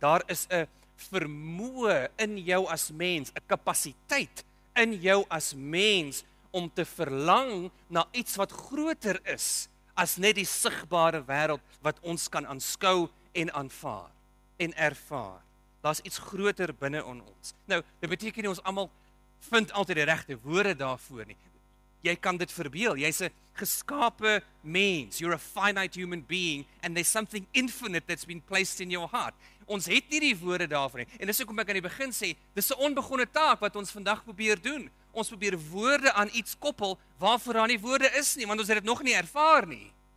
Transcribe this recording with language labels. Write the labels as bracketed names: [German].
[Afrikaans] Daar is 'n vermoë in jou as mens, 'n kapasiteit in jou as mens om te verlang na iets wat groter is as net die sigbare wêreld wat ons kan aanskou en aanvaar en ervaar. Daar's iets groter binne in ons. Nou, dit beteken nie ons almal vind altyd die regte woorde daarvoor nie. Jy kan dit verbeel. Jy's 'n geskape mens. [English] You're a finite human being and there's something infinite that's been placed in your heart. [Afrikaans] Ons het nie die woorde daarvoor nie. En dis hoekom ek aan die begin sê, dis 'n onbegonne taak wat ons vandag probeer doen. Ons probeer woorde aan iets koppel waarvoor daar nie woorde is nie, want ons het dit nog nie ervaar nie.